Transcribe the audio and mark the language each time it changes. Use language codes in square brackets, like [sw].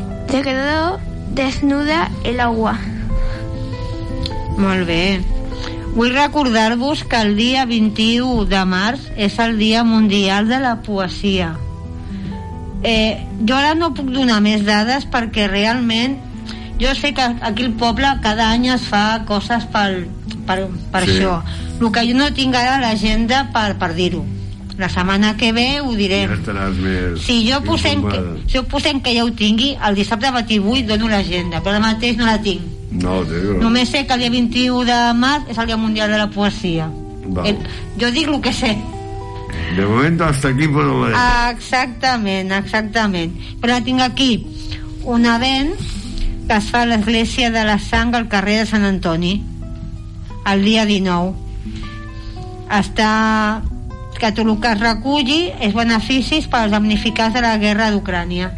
[es] Se quedó desnuda el agua. [ca] Molt bé. Vull recordar-vos que el dia 21 de març és el Dia Mundial de la Poesia. Jo ara no puc donar més dades perquè realment jo sé que aquí al poble cada any es fa coses per sí. Això. El que jo no tinc ara l'agenda per dir-ho. La setmana que ve ho direm. Ja estaràs més... Si jo posem que ja ho tingui, el dissabte 28 dono l'agenda, però ara mateix no la tinc. No, només sé que el dia 21 de març és el Dia Mundial de la Poesia. Jo dic el que sé. De moment [es] hasta aquí puedo leer. [ca] Exactament. Però tinc aquí un event que es fa a l'Església de la Sang al carrer de Sant Antoni el dia 19. Està que tot el que es reculli és beneficis per als damnificats de la guerra d'Ucrània.